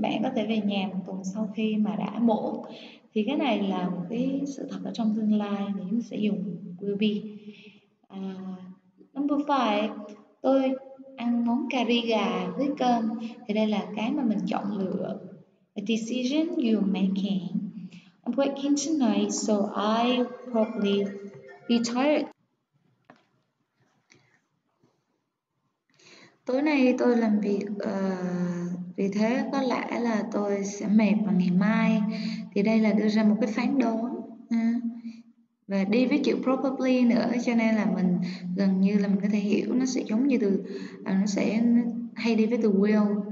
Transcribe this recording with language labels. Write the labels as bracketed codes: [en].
[vi] Bạn có thể về nhà một tuần sau khi mà đã mổ. Thì cái này là một cái sự thật ở trong tương lai thì chúng sẽ dùng will be. Number 5, tôi ăn món cà ri gà với cơm. Thì đây là cái mà mình chọn lựa. [en] A decision you're making. I'm working tonight, so I probably be tired. [vi] Tối nay tôi làm việc, vì thế có lẽ là tôi sẽ mệt vào ngày mai. Thì đây là đưa ra một cái phán đoán. Và đi với kiểu probably nữa, cho nên là mình gần như là mình có thể hiểu nó sẽ giống như từ, nó sẽ hay đi với từ will.